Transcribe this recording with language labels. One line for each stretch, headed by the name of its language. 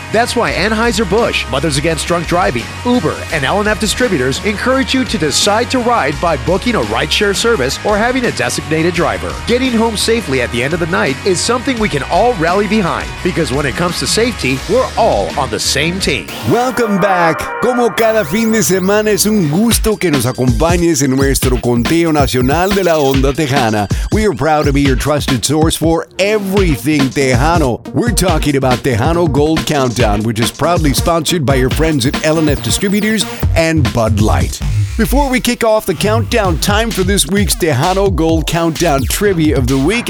English: That's why Anheuser-Busch, Mothers Against Drunk Driving, Uber, and LNF Distributors encourage you to decide to ride by booking a rideshare service or having a designated driver. Getting home safely at the end of the night is something we can all rally behind, because when it comes to safety, we're all on the same team. Welcome back.
Spanish: Como cada fin de semana, es un gusto que nos acompañes en nuestro conteo nacional de la Onda Tejana.
English: We are proud to be your trusted source for everything Tejano. We're talking about Tejano Gold Countdown, which is proudly sponsored by your friends at LNF Distributors and Bud Light. Before we kick off the countdown, time for this week's Tejano Gold Countdown Trivia of the Week.